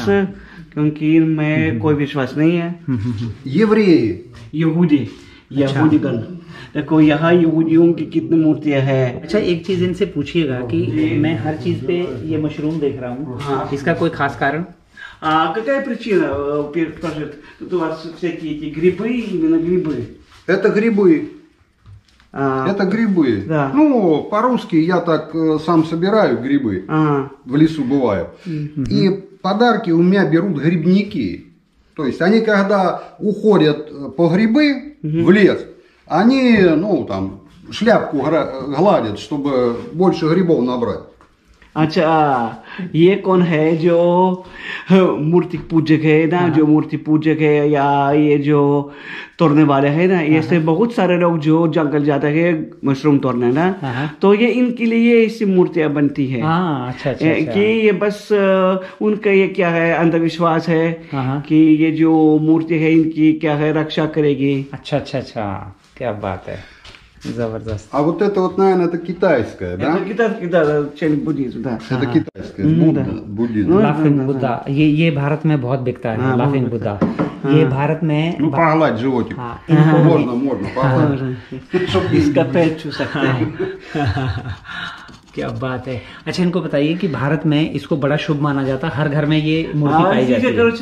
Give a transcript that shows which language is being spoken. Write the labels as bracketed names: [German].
[Hindi] अच्छा। क्योंकि इनमें कोई विश्वास नहीं है। यहूदी, यहूदी गण, देखो यहाँ यहूदियों की कितनी मूर्तियां हैं। अच्छा एक चीज इनसे पूछिएगा कि मैं हर चीज पे ये मशरूम देख रहा हूँ, हाँ इसका कोई खास कारण? [Russian] А какая причина? Скажет, тут у вас всякие эти грибы, именно грибы. Это грибы. Это грибы. Да. Ну, по-русски я так сам собираю грибы, в лесу бываю. И подарки у меня берут грибники. То есть они когда уходят по грибы в лес, они, ну, там, шляпку гладят, чтобы больше грибов набрать. [Hindi] अच्छा ये कौन है जो मूर्ति पूजक है ना, जो हाँ मूर्ति पूजक है या ये जो तोड़ने वाले है ना, हाँ ऐसे हाँ बहुत सारे लोग जो जंगल जाते हैं मशरूम तोड़ने ना, हाँ तो ये इनके लिए ऐसी मूर्तियां बनती है हाँ अच्छा, कि ये बस उनका ये क्या है अंधविश्वास है हाँ कि ये जो मूर्ति है इनकी क्या है रक्षा करेगी। अच्छा, क्या बात है, जबरदस्त। [Russian] А вот это вот, наверное, это китайское, да? Это китайский, да, чайник буддизм, да. Это китайское, буддизм. Лафинг Будда. [Hindi] ये भारत में बहुत बिकता है, लाफिंग बुद्धा। ये भारत में [Russian] Ну, погладь животик. [Hindi] इनको [Russian] можно, можно, погладь. Чтобы [Hindi] इसका पेट चू सकते हैं। क्या बात है। अच्छा इनको बताइए कि भारत में इसको बड़ा शुभ माना जाता, हर घर में ये मूर्ति पाई जाती है।